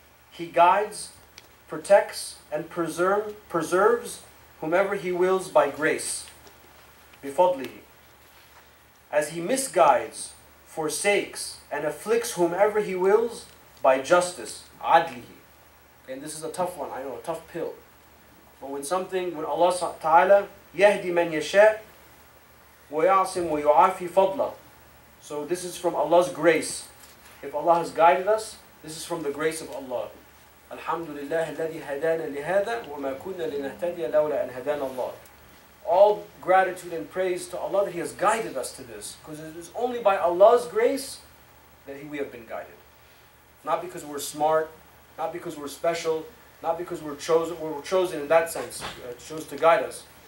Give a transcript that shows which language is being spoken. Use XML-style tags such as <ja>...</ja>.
<en>He guides, protects, and preserves whomever He wills by grace, bifadlihi. As He misguides, forsakes, and afflicts whomever He wills by justice, adlihi. And this is a tough one, I know, a tough pill. But when Allah Ta'ala,</en> <ar>يَهْدِي مَنْ يَشَاءُ وَيَعْصِمْ وَيُعَافِي فَضْلًا.</ar> <en>So this is from Allah's grace. If Allah has guided us, this is from the grace of Allah.</en> <ar>الحمد لله الذي هدانا لهذا وما كنا لنهتدي لولا أن هدانا الله.</ar> <en>All gratitude and praise to Allah that He has guided us to this, because it is only by Allah's grace that we have been guided. Not because we're smart, not because we're special, not because we're chosen in that sense, chose to guide us.</en>